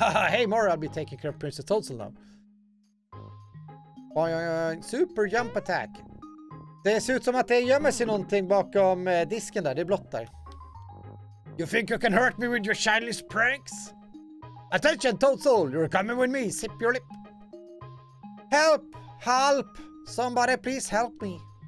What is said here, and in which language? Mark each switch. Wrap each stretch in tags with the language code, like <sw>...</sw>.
<en>Hey Mario, I'll be taking care of Princess Toadstool now. Super jump attack.</en> <sv>Det ser ut som att det gömmer sig någonting bakom disken där. Det är blott där.</sv> <en>You think you can hurt me with your childish pranks? Attention, Toadstool, you're coming with me. Sip your lip. Help! Help! Somebody please help me.</en>